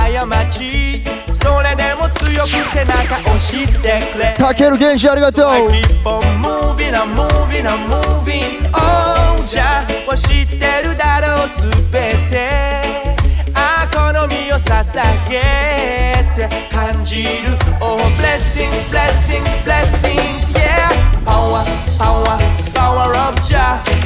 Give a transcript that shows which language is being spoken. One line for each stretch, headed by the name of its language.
Japanese: それでも強く背中押してくれ。タケル原始ありがとう。
English: Keep on moving and moving and moving.
Japanese: Oh, じゃあ知ってるだろう全て。あ、この身を捧げて感じる。
English: Oh, blessings, blessings, blessings, yeah. Power, power, power of Jah.